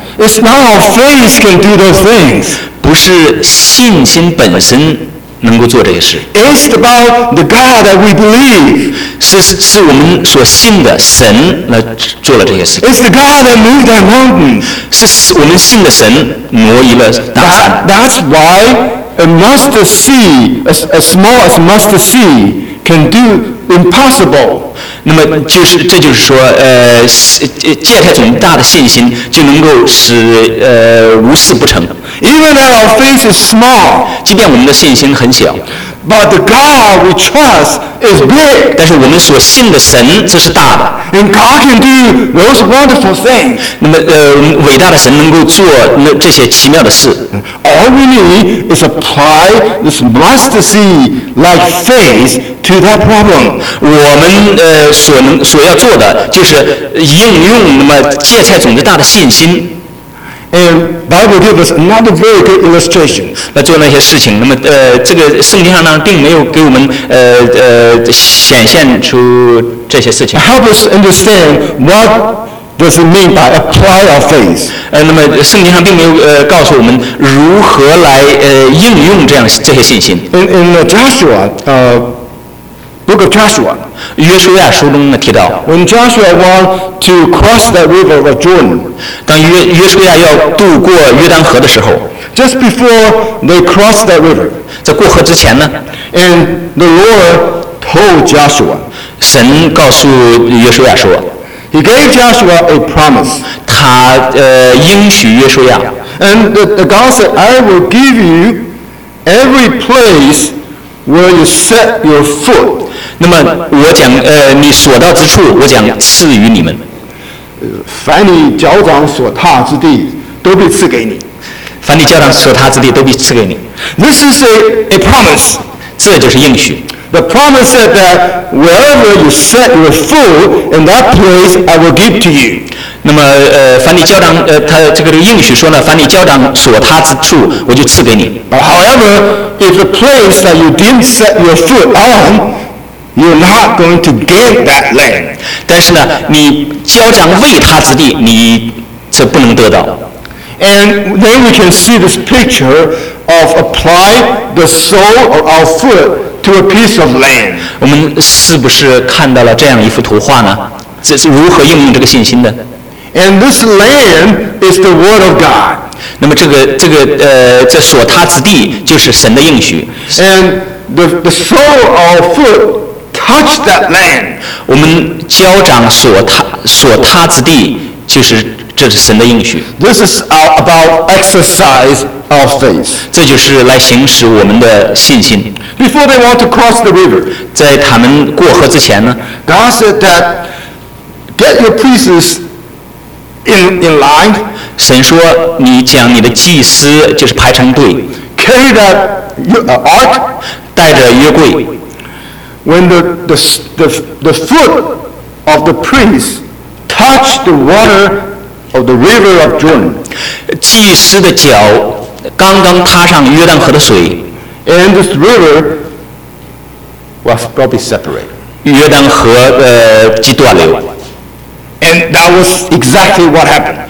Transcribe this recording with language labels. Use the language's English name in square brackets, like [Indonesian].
[English] It's not our faith can do those things. [Chinese] 不是信心本身能够做这些事。 [English] It's about the God that we believe. [Chinese] 是我们所信的神来做了这些事。 [English] It's the God that moved that mountain. [Chinese] 是我们信的神挪移了大山。 [English] That's why a mustard seed, as small as mustard seed, can do impossible. [Chinese] 那么就是，这就是说，芥菜种大的信心就能够使无事不成。 [English] Even though our faith is small, [Chinese] 即便我们的信心很小 [English] ，but the God we trust is big. [Chinese] 但是我们所信的神这是大的。 [English] And God can do those wonderful things. [Chinese] 那么伟大的神能够做那这些奇妙的事。 [English] All we need is apply this mustard seed like faith. To that problem, [Chinese] 我们所要做的就是应用那么芥菜种子大的信心。 [English] And Bible gives another very good illustration. [Chinese] 来做那些事情，那么这个圣经上呢，并没有给我们显现出这些事情。 [English] Help us understand what does it mean by apply our faith. [Chinese] 那么圣经上并没有告诉我们如何来应用这些信心。 [English] In Joshua, Book of Joshua. [Chinese] 约书亚书中呢提到 [English] When Joshua wanted to cross the river of Jordan, [Chinese] 当约书亚要渡过约旦河的时候 [English] Just before they crossed that river, [Chinese] 在过河之前呢 [English] And the Lord told Joshua, [Chinese] 神告诉约书亚说 [English] He gave Joshua a promise. [Chinese] 他应许约书亚 [English] And the God said, I will give you every place where you set your foot. [Chinese] 那么我讲你所到之处我将赐予你们凡你脚掌所踏之地都必赐给你，凡你脚掌所踏之地都必赐给你。 [English] This is a promise， [Chinese] 这就是应许。 [English] The promise said that wherever you set your foot in that place I will give to you。 [Chinese] 那么凡你脚掌他这个应许说呢，凡你脚掌所踏之处我就赐给你。 [English] But however if the place that you didn't set your foot on you're not going to gain that land， [Chinese] 但是呢你脚掌未踏之地你这不能得到。 [English] And then we can see this picture of apply the sole of our foot to a piece of land。 [Chinese] 我们是不是看到了这样一幅图画呢？这是如何应用这个信心的？ [English] And this land is the word of God。 [Chinese] 那么这所踏之地就是神的应许。 [English] And the sole of our foot touched that land。 [Chinese] 我们脚掌所踏之地就是这是神的应许。 [English] This is about exercise of faith， [Chinese] 这就是来行使我们的信心。 [English] Before they want to cross the river， [Chinese] 在他们过河之前呢， [English] God said that get your priests in line， [Chinese] 神说你将你的祭司就是排成队， [English] carry that ark， [Chinese] 带着约柜。 [English] When the foot of the priest touch the waterof the river of Jordan， [Chinese] 祭司的脚刚刚踏上约旦河的水， [English] and this river was probably separated， [Chinese] 约旦河即断流。 [English] And that was exactly what happened，